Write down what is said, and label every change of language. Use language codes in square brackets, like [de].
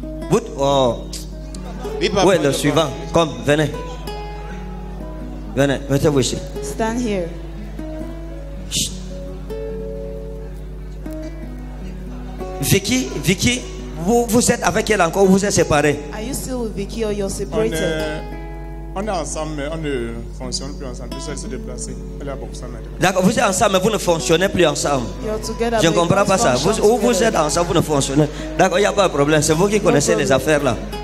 [fr] Vous, oh. Oui, papa, où est le suivant? Comme, venez. Venez, mettez-vous ici. [en] Stand here. [fr] Vicky, Vicky, vous êtes avec elle encore ou vous êtes séparés? [en] Are you still with Vicky or you're separated? [fr] On est ensemble, mais on ne fonctionne plus ensemble. Elle s'est déplacée. Elle est à Boxa maintenant. D'accord, vous êtes ensemble, mais vous ne fonctionnez plus ensemble. [en] You're together, [fr] je ne comprends pas ça. Vous êtes ensemble, vous ne fonctionnez. D'accord, il n'y a pas de problème. C'est vous qui connaissez les affaires là.